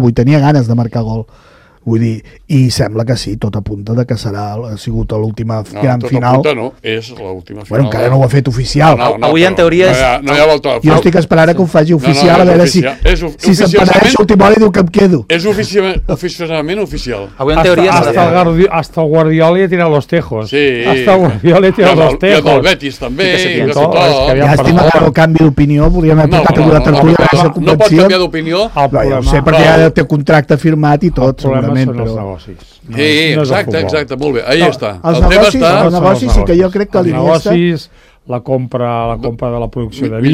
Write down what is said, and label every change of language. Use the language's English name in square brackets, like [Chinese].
[Catalan] Vull dir, tenia ganes de marcar gol. Vull dir, i sembla que sí, tot apunta que ha sigut l'última gran final. No, és l'última final. Bueno, encara no ho ha fet oficial. Avui en teoria és... Jo estic esperant que ho faci oficial, a veure si se'm penedeix l'última hora i diu que em quedo. És oficialment oficial. Avui en teoria és... [Spanish] Hasta el Guardiola tira los tejos. Hasta el Guardiola tira los tejos. [Catalan] I el del Betis també. Llàstima que no canvi d'opinió. Volíem haver portat alguna tertúlia. No pot canviar d'opinió. Ja ho sé, perquè ja té contracte firmat i tot. Són els negocis. Exacte, molt bé. Ahí està. Els negocis sí que jo crec que l'Iniesta... Els negocis, la compra de la producció de vi...